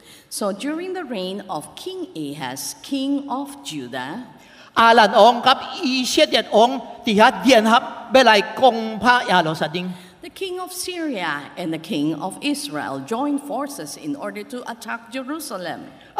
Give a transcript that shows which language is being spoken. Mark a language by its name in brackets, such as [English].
[English] So during the reign of King Ahaz, king of Judah, [Min Nan Chinese] Aram王甲以色列王底下联合要来攻打耶路撒冷。 [English] The king of Syria and the king of Israel joined forces in order to attack Jerusalem.